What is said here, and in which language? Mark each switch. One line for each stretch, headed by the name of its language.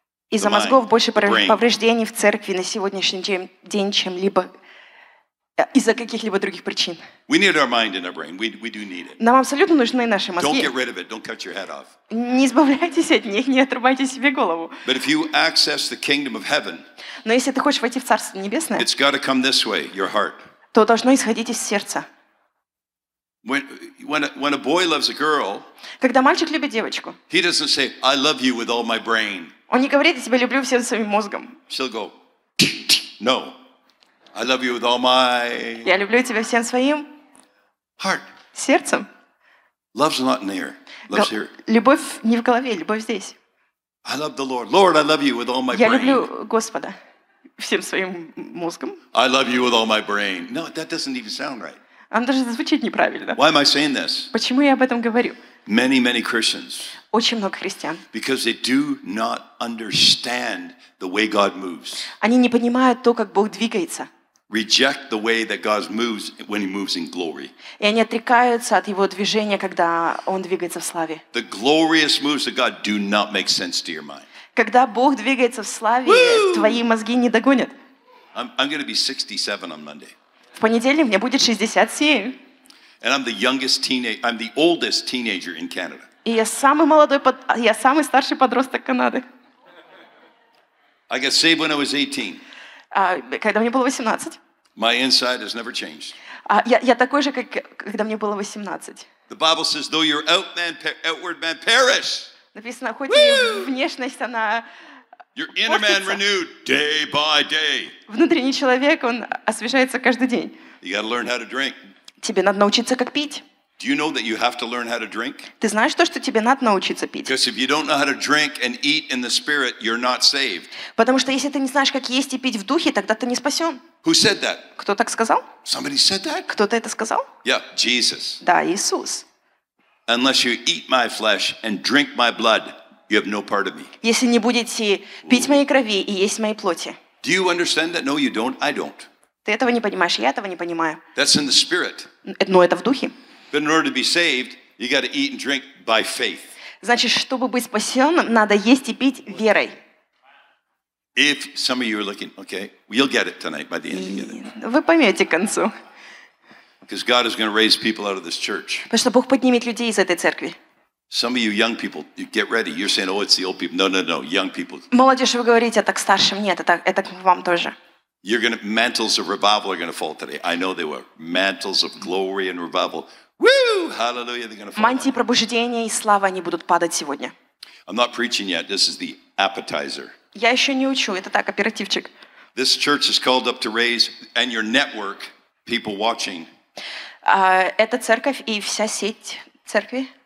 Russian: Из-за мозгов больше повреждений в церкви на сегодняшний день, чем либо из-за каких-либо других причин.
English: We need our mind and our brain. We do need it.
Russian: Нам абсолютно нужны наши мозги.
English: Don't get rid of it. Don't cut your head off.
Russian: Не избавляйтесь от них, не отрубайте себе голову.
English: But if you access the kingdom of heaven,
Russian: но если ты хочешь войти в Царство Небесное,
English: it's got to come this way, your heart.
Russian: То должно исходить из сердца.
English: When a boy loves a girl,
Russian: когда мальчик любит девочку,
English: he doesn't say, "I love you with all my brain."
Russian: Он не говорит, я тебя люблю всем своим мозгом.
English: She'll go, "No, I love you with all my."
Russian: Я люблю тебя всем своим.
English: Heart.
Russian: Сердцем.
English: Love's not in the air. Love's here.
Russian: Любовь не в голове, любовь здесь.
English: I love the Lord. Lord, I love you with all my brain.
Russian: Я люблю Господа всем своим мозгом.
English: I love you with all my brain. No, that doesn't even sound right.
Russian: Оно даже звучит неправильно.
English: Why am I saying this?
Russian: Почему я об этом говорю?
English: Many, many Christians.
Russian: Очень много христиан.
English: Because they do not understand the way God moves.
Russian: Они не понимают то, как Бог двигается.
English: Reject the way that God moves when He moves in glory.
Russian: И они отрекаются от Его движения, когда Он двигается в славе.
English: The glorious moves of God do not make sense to your mind.
Russian: Когда Бог двигается в славе, твои мозги не догонят.
English: I'm going to be 67 on Monday.
Russian: В понедельник мне будет 67.
English: And I'm the youngest teenager. I'm the oldest teenager in Canada.
Russian: И я самый молодой, я самый старший подросток Канады.
English: I got saved when I was 18.
Russian: Когда мне было 18.
English: My inside has never changed.
Russian: Я такой же, как когда мне было 18.
English: The Bible says, though your outward man perish.
Russian: Написано, хоть и внешность она.
English: Your inner man renewed day by day.
Russian: Внутренний человек, он освежается каждый день.
English: You got to learn how to drink.
Russian: Тебе надо научиться как пить.
English: Do you know that you have to learn how to drink?
Russian: Ты знаешь то, что тебе надо научиться пить?
English: Because if you don't know how to drink and eat in the spirit, you're not saved.
Russian: Потому что если ты не знаешь, как есть и пить в духе, тогда ты не спасен.
English: Who said that?
Russian: Кто так сказал?
English: Somebody said that?
Russian: Кто-то это сказал?
English: Yeah, Jesus.
Russian: Да, Иисус.
English: Unless you eat my flesh and drink my blood, you have no part of me.
Russian: Если не будете пить моей крови и есть моей плоти.
English: Do you understand that? No, you don't. I don't.
Russian: Ты этого не понимаешь, я этого не понимаю.
English: That's in the spirit.
Russian: Но это в духе.
English: But in order to be saved, you got to eat and drink by faith.
Russian: Значит, чтобы быть спасенным, надо есть и пить верой.
English: If some of you are looking, okay, you'll get it tonight by the end of the year.
Russian: Вы поймете к концу.
English: Because God is going to raise people out of this church.
Russian: Потому что Бог поднимет людей из этой церкви.
English: Some of you young people, you get ready. You're saying, "Oh, it's the old people." No, no, no, young people.
Russian: Молодежь, вы говорите, так старшим нет, это к вам тоже.
English: You're going to mantles of revival are going to fall today. I know they were mantles of glory and revival. Woo! Hallelujah! They're going to.
Russian: Мантии пробуждения и слава они будут падать сегодня.
English: I'm not preaching yet. This is the appetizer.
Russian: Я еще не учу. Это так аперитивчик.
English: This church is called up to raise, and your network, people watching.
Russian: Это церковь и вся сеть церкви.